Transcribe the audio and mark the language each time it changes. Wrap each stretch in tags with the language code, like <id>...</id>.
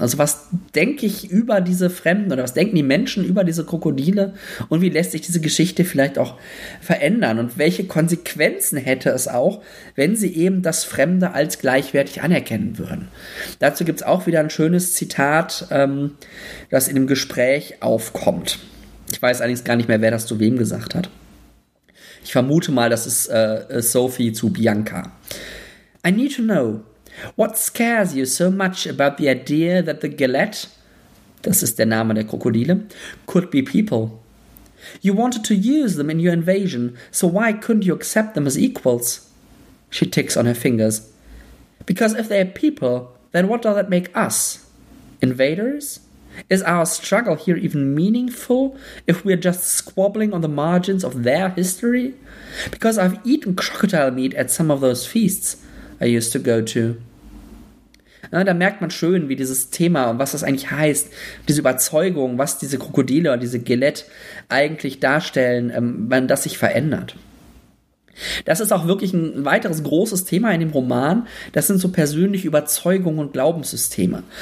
<de>Also was denke ich über diese Fremden oder was denken die Menschen über diese Krokodile und wie lässt sich diese Geschichte vielleicht auch verändern und welche Konsequenzen hätte es auch, wenn sie eben das Fremde als gleichwertig anerkennen würden. Dazu gibt es auch wieder ein schönes Zitat, das in dem Gespräch aufkommt. Ich weiß allerdings gar nicht mehr, wer das zu wem gesagt hat. Ich vermute mal, das ist Sophie zu Bianca.</de> <en>I need to know, what scares you so much about the idea that the Galette,</en> <de>das ist der Name der Krokodile,</de> <en>could be people? You wanted to use them in your invasion, so why couldn't you accept them as equals? She ticks on her fingers. Because if they are people, then what does that make us? Invaders? Is our struggle here even meaningful if we are just squabbling on the margins of their history? Because I've eaten crocodile meat at some of those feasts. I used to go to.</en> <de>Ja, da merkt man schön, wie dieses Thema und was das eigentlich heißt, diese Überzeugung, was diese Krokodile oder diese Galette eigentlich darstellen, wenn das sich verändert. Das ist auch wirklich ein weiteres großes Thema in dem Roman. Das sind so persönliche Überzeugungen und Glaubenssysteme.</de>